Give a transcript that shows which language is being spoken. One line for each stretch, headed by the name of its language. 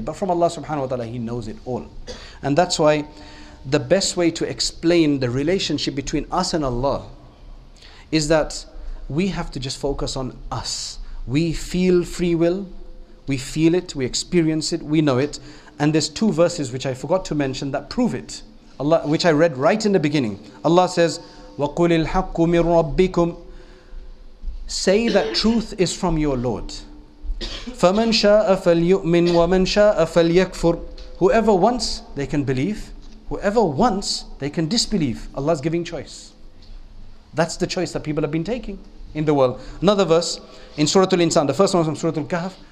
English: But from Allah subhanahu wa ta'ala, He knows it all. And that's why the best way to explain the relationship between us and Allah is that we have to just focus on us. We feel free will. We feel it. We experience it. We know it. And there's two verses which I forgot to mention that prove it. Allah, which I read right in the beginning. Allah says,
Arabic: وَقُلِ الْحَقُّ مِنْ رَبِّكُمْ.
English: Say that truth is from your Lord.
Arabic: فَمَنْ شَاءَ فَلْيُؤْمِنْ وَمَنْ شَاءَ فَلْيَكْفُرْ.
English: Whoever wants, they can believe. Whoever wants, they can disbelieve. Allah's giving choice. That's the choice that people have been taking in the world. Another verse in Surah Al-Insan. The first one is from Surah Al-Kahf.